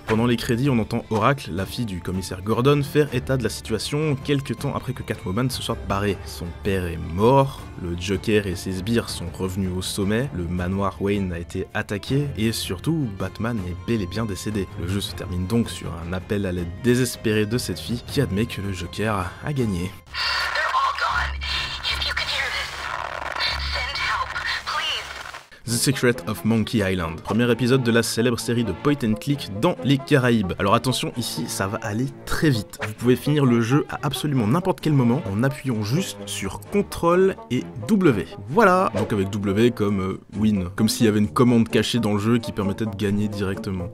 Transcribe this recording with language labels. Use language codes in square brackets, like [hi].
[fr] Pendant les crédits, on entend Oracle, la fille du commissaire Gordon, faire état de la situation quelques temps après que Catwoman se soit barré. Son père est mort, le Joker et ses sbires sont revenus au sommet, le manoir Wayne a été attaqué, et surtout, Batman est bel et bien décédé. Le jeu se termine donc sur un appel à l'aide désespéré de cette fille qui admet que le Joker a gagné. [en] They're all gone. If you can hear this, send help, please. [fr] The Secret of Monkey Island, premier épisode de la célèbre série de Point and Click dans les Caraïbes. Alors attention, ici, ça va aller très vite. Vous pouvez finir le jeu à absolument n'importe quel moment en appuyant juste sur CTRL et W. Voilà. Donc avec W comme win, comme s'il y avait une commande cachée dans le jeu qui permettait de gagner directement.